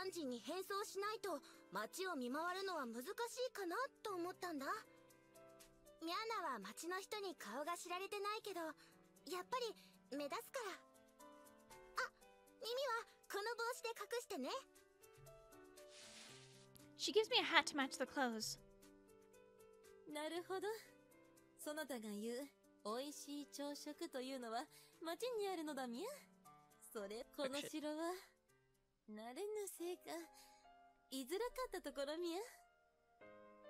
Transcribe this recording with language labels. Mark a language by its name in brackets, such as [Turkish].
[Japanese] 一般人に変装しないと街を見回るのは難しいかなと思ったんだ。ミャナは街の人に顔が知られてないけど、やっぱり目立つから。耳はこの帽子で隠してね。 [English] She gives me a hat to match the clothes. [Japanese] なるほど。そなたが言う美味しい朝食というのは街にあるのだみゃ。それこの城は慣れぬせいか居づらかったところみゃ。